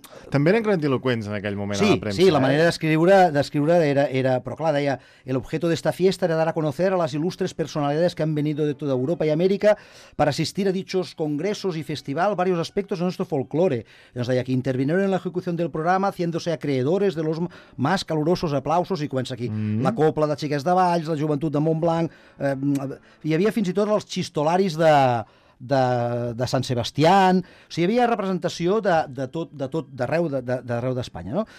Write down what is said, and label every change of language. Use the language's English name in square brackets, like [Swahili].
[Catalan] També eren grandiloquents en aquell moment, sí, a la premsa. Sí, la manera d'escriure era... Però clar, deia, [Spanish] el objeto de esta fiesta era dar a conocer a las ilustres personalidades que han venido de toda Europa y América para asistir a dichos congresos y festival varios aspectos de nuestro folclore. Nos deia que intervinieron en la ejecución del programa haciéndose acreedores de los más calurosos aplausos, [Catalan] i comença aquí, la copla de Xiquets de Valls, la joventut de Montblanc... Hi havia fins i tot els xistolaris de Sant Sebastià, o sigui, hi havia representació d'arreu d'Espanya, no?